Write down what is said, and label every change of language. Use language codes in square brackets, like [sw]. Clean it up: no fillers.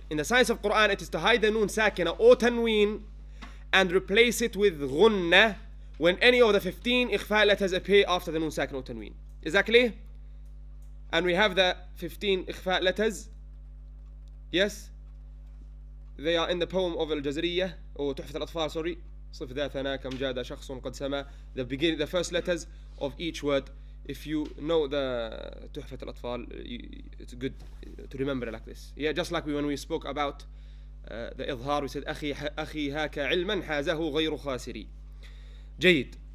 [en] In the science of Quran, it is to hide the Nun Sakina or Tanween and replace it with Ghunna when any of the 15 Ikhfa letters appear after the Nun Sakina or Tanween. Is that clear? And we have the 15 Ikhfa letters. Yes? They are in the poem of Al-Jazriya, or Tuhfat Al-Atfar, sorry. [ar] صف ذاتنا كم جاد شخص قد سما. [en] The beginning, the first letters of each word. If you know the تحفة الأطفال, it's good to remember like this. Yeah, just like when we spoke about the إظهار, we said [ar] أخي هاك علما حازه غير خاسري. جيد.